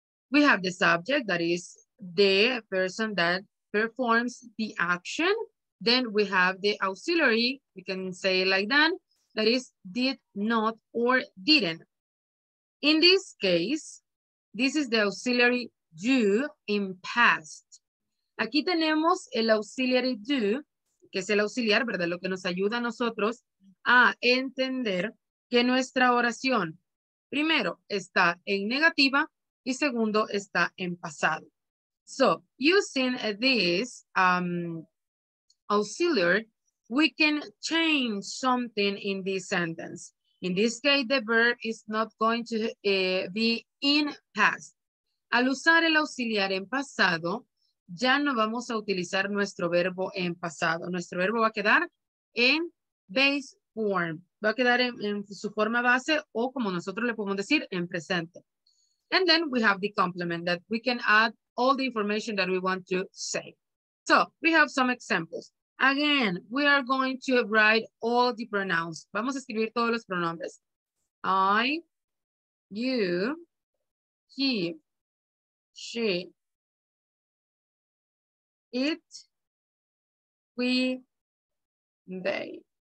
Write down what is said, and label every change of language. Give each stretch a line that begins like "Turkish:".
English: We have the subject, that is the person that performs the action. Then we have the auxiliary, we can say it like that, that is did not or didn't. In this case, this is the auxiliary do in past.
Spanish: Aquí tenemos el auxiliary do, que es el auxiliar, ¿verdad? Lo que nos ayuda a nosotros a entender que nuestra oración, primero, está en negativa y segundo, está en pasado.
English: So, using this auxiliary, we can change something in this sentence. In this case, the verb is not going to be in past.
Spanish: Al usar el auxiliar en pasado, ya no vamos a utilizar nuestro verbo en pasado. Nuestro verbo va a quedar en base form. Va a quedar en su forma base o como nosotros le podemos decir, en presente.
English: And then we have the complement that we can add all the information that we want to say. So we have some examples. Again, we are going to write all the pronouns.
Spanish: Vamos a escribir todos los pronombres.
English: I, you, he, she, it, we, they.